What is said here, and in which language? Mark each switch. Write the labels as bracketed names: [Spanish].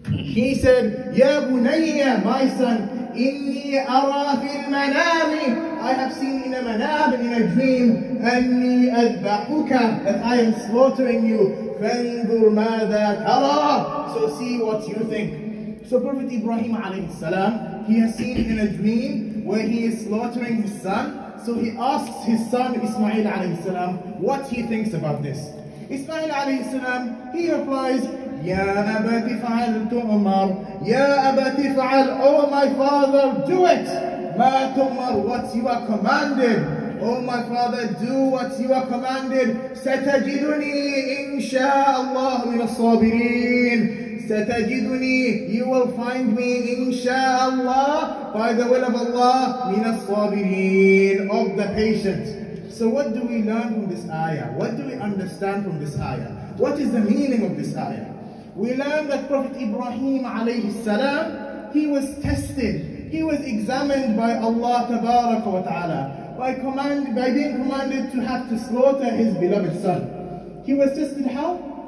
[English] He said, [Arabic] Ya Bunayya, [English] my son, [Arabic] Inni ara fil manami, [English] I have seen in a manam, in a dream, [Arabic] Anni adbahuka, [English] that I am slaughtering you, [Arabic] فانظر ماذا ترى. [English] So see what you think. So Prophet Ibrahim [Arabic] عليه السلام, [English] he has seen in a dream where he is slaughtering his son. So he asks his son Ismail [Arabic] عليه السلام [English] what he thinks about this. Ismail [Arabic] عليه السلام, [English] he replies, [Arabic] يا أبت فعل تؤمر, يا أبت فعل, [English] oh my father, do it. [Arabic] ما تؤمر, [English] what you are commanded. Oh my father, do what you are commanded. [Arabic] ستجدني إن شاء الله من الصابرين. ستجدني, [English] you will find me [Arabic] إن شاء الله, [English] by the will of Allah, [Arabic] من الصابرين, [English] of the patient. So what do we learn from this ayah? What do we understand from this ayah? What is the meaning of this ayah? We learn that Prophet Ibrahim alayhi salam, he was tested, he was examined by Allah tabarak wa ta'ala by being commanded to have to slaughter his beloved son. He was tested how?